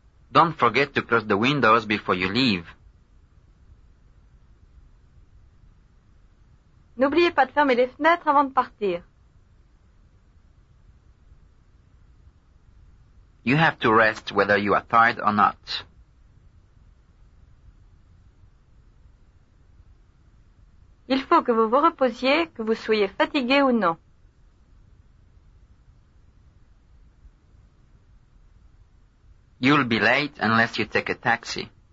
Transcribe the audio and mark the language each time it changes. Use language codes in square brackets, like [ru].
[en] Don't forget to close the windows before you leave. [fr] N'oubliez pas de fermer les fenêtres avant de partir. [en] You have to rest whether you are tired or not. [fr] Il faut que vous vous reposiez, que vous soyez fatigué ou non. [en] You'll be late unless you take a taxi.